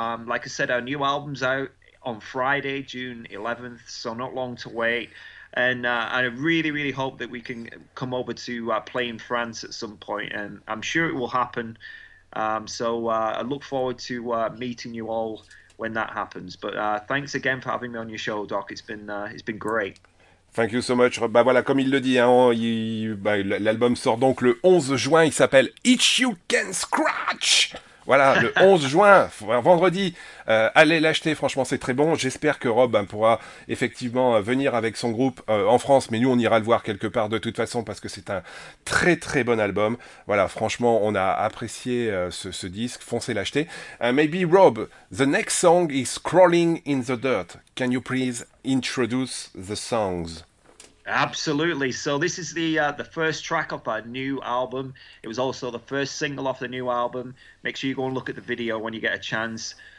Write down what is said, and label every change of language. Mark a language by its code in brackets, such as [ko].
[en] Like I said, our new album's out on Friday, June 11th, so not long to wait. And I really, really hope that we can come over to play in France at some point. And I'm sure it will happen. I look forward to meeting you all when that happens. But thanks again for having me on your show, Doc. It's been great. Thank you so much. [fr] Bah voilà, comme il le dit, hein, l'album sort donc le 11 juin. Il s'appelle Itch You Can Scratch. Voilà, le 11 juin, vendredi, allez l'acheter, franchement c'est très bon. J'espère que Rob pourra effectivement venir avec son groupe en France, mais nous on ira le voir quelque part de toute façon, parce que c'est un très très bon album. Voilà, franchement on a apprécié ce disque, foncez l'acheter. [en] Maybe Rob, the next song is Crawling in the Dirt. Can you please introduce the songs? Absolutely. So this is the first track off our new album. It was also the first single off the new album. Make sure you go and look at the video when you get a chance.